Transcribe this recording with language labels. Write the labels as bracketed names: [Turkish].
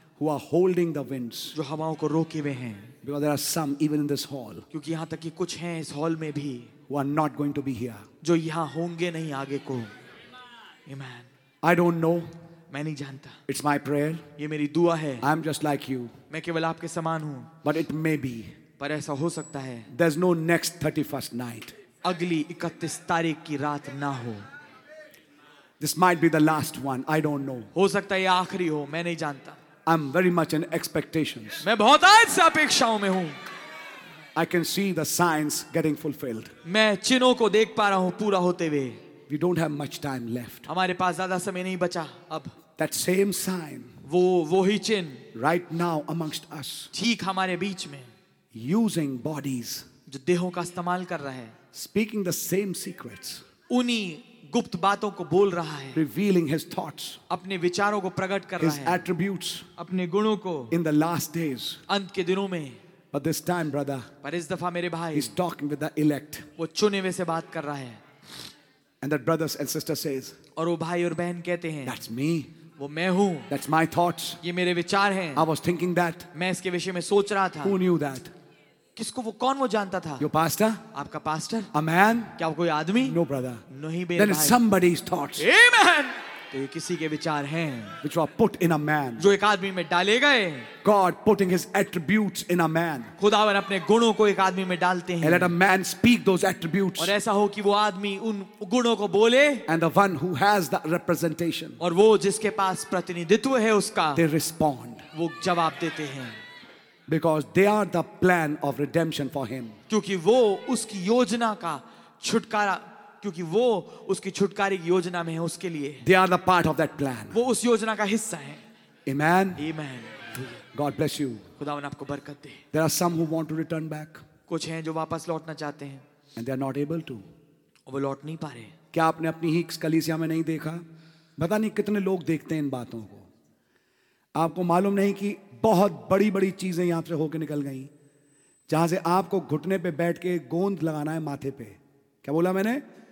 [English] Who are holding the winds. [Hindi] जो हवाओं को रोके हुए हैं. [English] Because there are some even in this hall. [Hindi] क्योंकि यहाँ तक कि कुछ हैं इस हॉल में भी. [English] Who are not going to be here. [Hindi] जो यहाँ होंगे नहीं आगे को. Amen. [English] I don't know. [Hindi] मैं नहीं जानता. [English] It's my prayer. [Hindi] ये मेरी दुआ है. [English] I'm just like you. [Hindi] मैं केवल आपके समान हूँ. [English] But it may be. [Hindi] पर ऐसा हो सकता है. [English] There's no next 31st night. [Hindi] अगली 31 तारीख की रात ना हो. [English] This might be the last one. I don't know. [Hindi] हो सकता है ये आखरी हो. मैं नहीं जानता. [English] I'm very much in expectations. [Hindi] मैं बहुत आयत से अपेक्षाओं में हूँ. [English] I can see the signs getting fulfilled. [Hindi] मैं चिन्हों को देख पा रहा हूँ पूरा होते हुए. [English] We don't have much time left. [Hindi] हमारे पास ज़्यादा समय नहीं बचा अब. [English] That same sign. [Hindi] वो ही चिन्ह. [English] Right now amongst us. [Hindi] ठीक हमारे बीच में. [English] Using bodies. [Hindi] जो देहों का इस्तेमाल कर रहे हैं. [English] Speaking the same secrets. [Hindi] उन्हीं गुप्त बातों को बोल रहा है. [English] Revealing his thoughts. [Hindi] अपने विचारों को प्रकट कर रहा है. [English] His attributes. [Hindi] अपने गुणों को. [English] In the last days. [Hindi] अंत के दिनों में. [English] But this time, brother. [Hindi] पर इस दफा मेरे भाई. [English] He's talking with the elect. [Hindi] वो चुने हुए से बात कर रहा है. [English] And that brothers and sister says. [Hindi] और वो भाई और बहन कहते हैं. [English] That's me. [Hindi] वो मैं हूँ. [English] That's my thoughts. [Hindi] ये मेरे विचार हैं. [English] I was thinking that. [Hindi] मैं इसके विषय में सोच रहा था. [English] Who knew that? [Hindi] किसको वो कौन वो जानता था? [English] Your pastor? [Hindi] आपका pastor? [English] A man? [Hindi] क्या वो कोई आदमी? [English] No brother. [Hindi] नहीं बे. [English] Then it's somebody's thoughts. [Hindi] Amen. तो ये किसी के विचार हैं. [English] Which were put in a man. [Hindi] जो एक आदमी में डाले गए. [English] God putting his attributes in a man. [Hindi] खुदावन अपने गुणों को एक आदमी में डालते हैं. [English] And let a man speak those attributes. [Hindi] और ऐसा हो कि वो आदमी उन गुणों को बोले. [English] And the one who has the representation. [Hindi] और वो जिसके पास प्रतिनिधित्व है उसका. [English] They respond. [Hindi] वो जवाब देते हैं. [English] Because they are the plan of redemption for him. [Hindi] क्योंकि वो उसकी योजना का छुटकारा, क्योंकि वो उसकी छुटकारे की योजना में है उसके लिए. [English] They are the part of that plan. [Hindi] वो उस योजना का हिस्सा है. [English] Amen. Amen. God bless you. [Hindi] खुदावन आपको बरकत दे. [English] There are some who want to return back. [Hindi] कुछ हैं जो वापस लौटना चाहते हैं. [English] And they are not able to. [Hindi] वो लौट नहीं पा रहे. क्या आपने अपनी ही कलीसिया में नहीं देखा? पता नहीं कितने लोग देखते हैं इन बातों को. आपको मालूम नहीं कि बहुत बड़ी बड़ी चीजें यहां से होकर निकल गई, जहां से आपको घुटने पे बैठ के गोंद लगाना है माथे पे. क्या बोला मैंने?